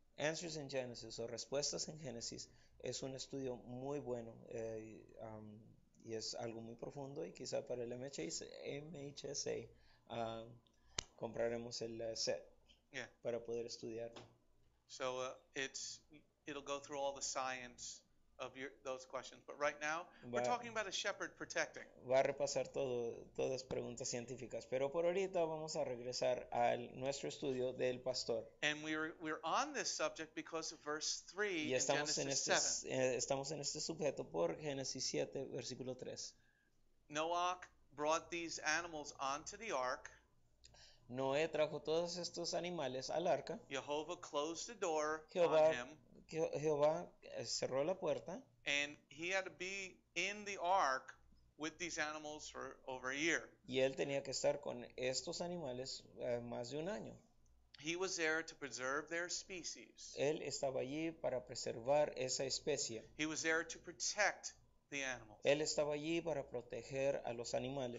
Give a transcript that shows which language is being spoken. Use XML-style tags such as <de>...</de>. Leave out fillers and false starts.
<es>Answers in Genesis, o Respuestas en Génesis, es un estudio muy bueno y es algo muy profundo y quizá para el MHSA compraremos el set para poder estudiarlo.</es> <en>So it'll go through all the science of those questions, but right now we're talking about a shepherd protecting.</en> <es>Va a repasar todas preguntas científicas, pero por ahorita vamos a regresar al nuestro estudio del pastor.</es> <en>And we're on this subject because of verse 3 in Genesis 7.</en> <es>Y estamos en este sujeto por Génesis 7 versículo 3.</es> <en>Noah brought these animals onto the ark.</en> <es>Noé trajo todos estos animales al arca.</es> <en>Jehovah closed the door</en> <es>Jehová cerró la puerta.</es> <en>And he had to be in the ark with these animals for over a year.</en> <es>Y él tenía que estar con estos animales más de un año.</es> <en>He was there to preserve their species.</en> <es>Él estaba allí para preservar esa especie.</es> <en>He was there to protect the animals.</en> <es>Él estaba allí para proteger a los animales.</es>